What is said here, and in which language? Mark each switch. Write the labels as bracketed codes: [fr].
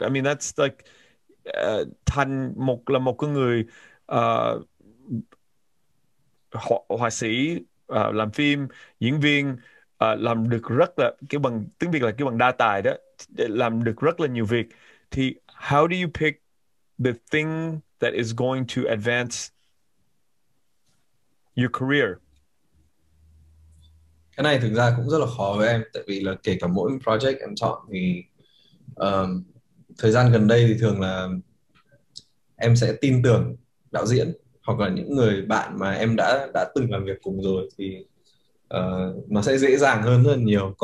[en] I mean, that's like [vi] Thành là một cái người họa sĩ, làm phim, diễn viên, làm được rất là cái bằng tiếng Việt là cái bằng đa tài đó, làm được rất là nhiều việc. [en] Thì how do you pick the thing that is going to advance your career? [vi] Cái này thực ra cũng rất là khó với em, tại vì là kể cả mỗi project em chọn thì thời gian gần đây thì thường là em sẽ tin tưởng đạo diễn hoặc là những người bạn mà em đã từng làm việc cùng rồi, thì nó sẽ dễ dàng hơn rất là nhiều.